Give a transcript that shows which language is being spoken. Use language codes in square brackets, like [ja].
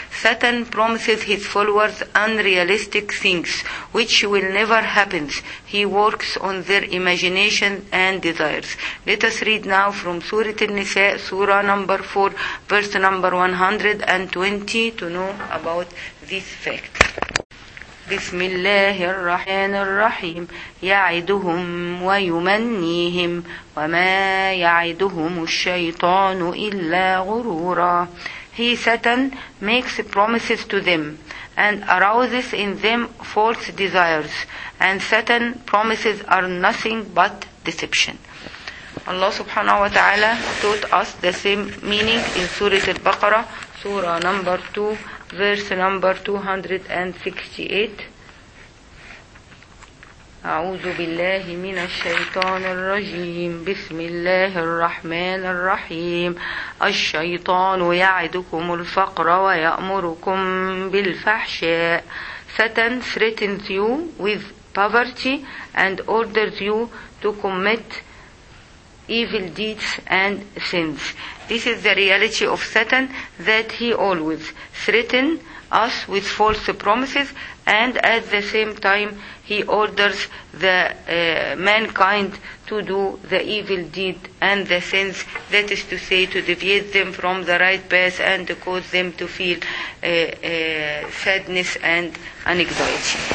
[en] Satan promises his followers unrealistic things, which will never happen. He works on their imagination and desires. Let us read now from Surah An-Nisa, Surah number 4, verse number 120, to know about these facts. [ar] بسم الله الرحمن الرحيم يعدهم ويمنيهم وما يعدهم الشيطان إلا غرورا. [en] He, Satan, makes promises to them and arouses in them false desires, and Satan promises are nothing but deception. Allah subhanahu wa ta'ala taught us the same meaning in Surah Al-Baqarah, Surah number 2, verse number 268. [ar] أعوذ بالله من الشيطان الرجيم بسم الله الرحمن الرحيم الشيطان يعدكم الفقر ويأمركم بالفحشاء. [en] Satan threatens you with poverty and orders you to commit evil deeds and sins. This is the reality of Satan, that he always threatens us with false promises, and at the same time he orders the mankind to do the evil deed and the sins, that is to say to deviate them from the right path and to cause them to feel sadness and anxiety.